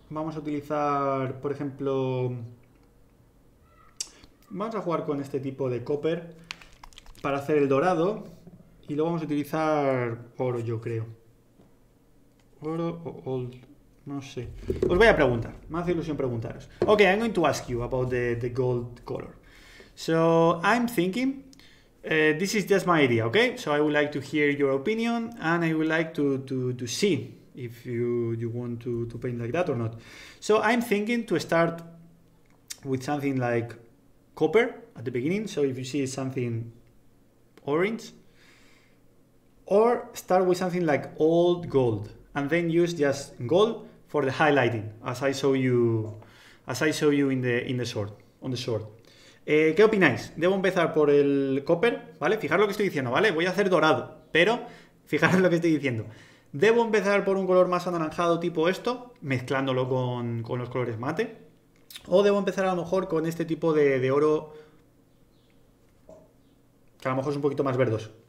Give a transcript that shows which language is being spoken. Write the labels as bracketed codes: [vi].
[es] Vamos a utilizar, por ejemplo, vamos a jugar con este tipo de copper para hacer el dorado y luego vamos a utilizar oro, yo creo. Oro o gold, no sé. Os voy a preguntar, me hace ilusión preguntaros. [en] Ok, I'm going to ask you about the gold color. So, I'm thinking, this is just my idea, ok? So, I would like to hear your opinion and I would like to see. If you want to paint like that or not. So I'm thinking to start with something like copper at the beginning. So if you see something orange, or start with something like old gold and then use just gold for the highlighting, as I show you in the short, on the short. [es] ¿Qué opináis? Debo empezar por el copper, ¿vale? Fijaros lo que estoy diciendo, ¿vale? Voy a hacer dorado, pero fijaros lo que estoy diciendo. ¿Debo empezar por un color más anaranjado tipo esto, mezclándolo con los colores mate? ¿O debo empezar a lo mejor con este tipo de oro, que a lo mejor es un poquito más verdoso?